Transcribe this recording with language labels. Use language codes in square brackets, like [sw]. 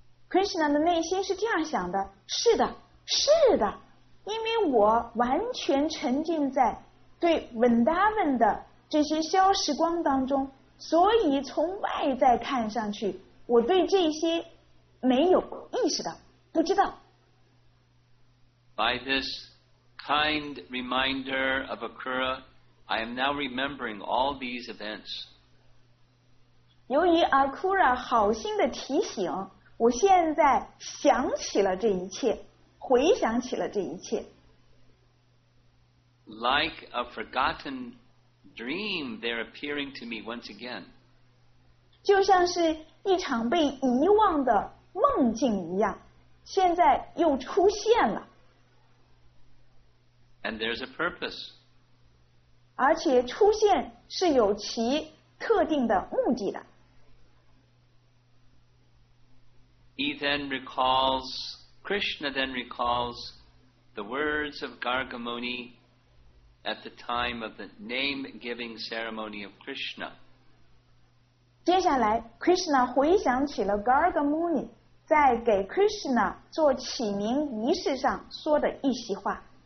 [zh] Krishna 的内心是这样想的，是的，是的，因为我完全沉浸在对 Vrindavan 的这些消时光当中，所以从外在看上去，我对这些没有意识的，不知道。 [en] By this kind reminder of Akura, I am now remembering all these events. [zh] 由于 Akura 好心的提醒，我现在想起了这一切，回想起了这一切。 [en] Like a forgotten dream, they're appearing to me once again. [zh] 就像是一场被遗忘的梦境一样，现在又出现了。 [en] And there's a purpose. [zh] 而且出现是有其特定的目的的。 [en] He then recalls, Krishna then recalls the words of Gargamuni at the time of the name-giving ceremony of Krishna. [zh] 接下来 ,Krishna 回想起了 Gargamuni 在给 Krishna 做起名仪式上说的一席话。